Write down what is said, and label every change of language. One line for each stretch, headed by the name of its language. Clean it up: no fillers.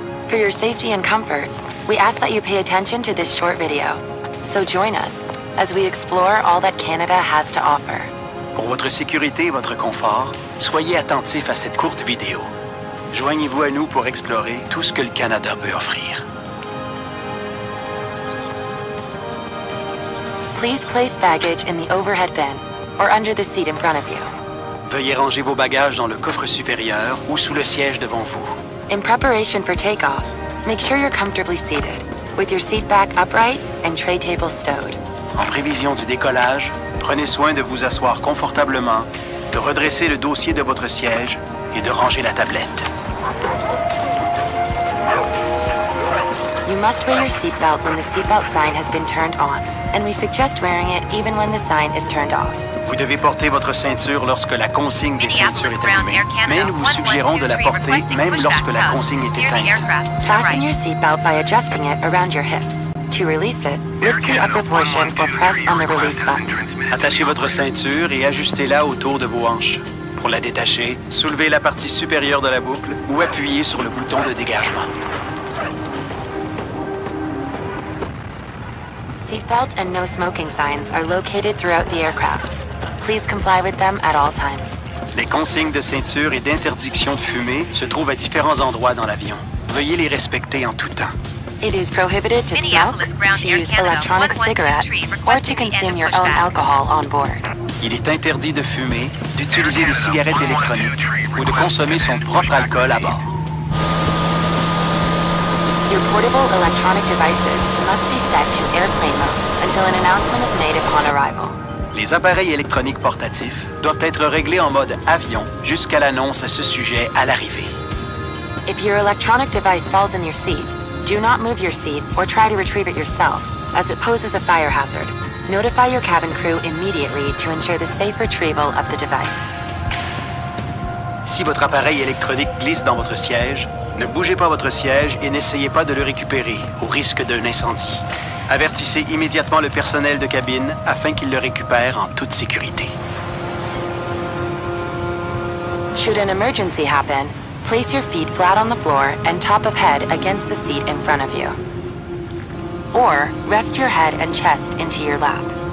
English: For your safety and comfort, we ask that you pay attention to this short video. So join us as we explore all that Canada has to offer.
French: Pour votre sécurité et votre confort, soyez attentifs à cette courte vidéo. Joignez-vous à nous pour explorer tout ce que le Canada peut offrir.
English: Please place baggage in the overhead bin or under the seat in front of you.
French: Veuillez ranger vos bagages dans le coffre supérieur ou sous le siège devant vous.
English: In preparation for takeoff, make sure you're comfortably seated with your seat back upright and tray table stowed.
French: En prévision du décollage, prenez soin de vous asseoir confortablement, de redresser le dossier de votre siège et de ranger la tablette.
English: You must wear your seatbelt when the seatbelt sign has been turned on, and we suggest wearing it even when the sign is turned off.
French: Vous devez porter votre ceinture lorsque la consigne des ceintures est allumée, mais nous vous suggérons de la porter même lorsque la consigne est éteinte.
English: Fasten your seatbelt by adjusting it around your hips. To release it, lift the upper portion or press on the release button.
French: Attachez votre ceinture et ajustez-la autour de vos hanches. Pour la détacher, soulevez la partie supérieure de la boucle ou appuyez sur le bouton de dégagement.
English: Seatbelt and no smoking signs are located throughout the aircraft. Please comply with them at all times.
French: Les consignes de ceinture et d'interdiction de fumer se trouvent à différents endroits dans l'avion. Veuillez les respecter en tout temps.
English: It is prohibited to smoke, to use electronic cigarettes, or to consume your own alcohol on board.
French: Il est interdit de fumer, d'utiliser des cigarettes électroniques ou de consommer son propre alcool à bord.
English: Your portable electronic devices must be set to airplane mode until an announcement is made upon arrival.
French: Les appareils électroniques portatifs doivent être réglés en mode avion jusqu'à l'annonce à ce sujet à l'arrivée.
English: If your electronic device falls in your seat, do not move your seat or try to retrieve it yourself, as it poses a fire hazard. Notify your cabin crew immediately to ensure the safe retrieval of the device.
French: Si votre appareil électronique glisse dans votre siège, ne bougez pas votre siège et n'essayez pas de le récupérer au risque d'un incendie. Avertissez immédiatement le personnel de cabine afin qu'il le récupère en toute sécurité.
English: Should an emergency happen, place your feet flat on the floor and top of head against the seat in front of you. Or rest your head and chest into your lap.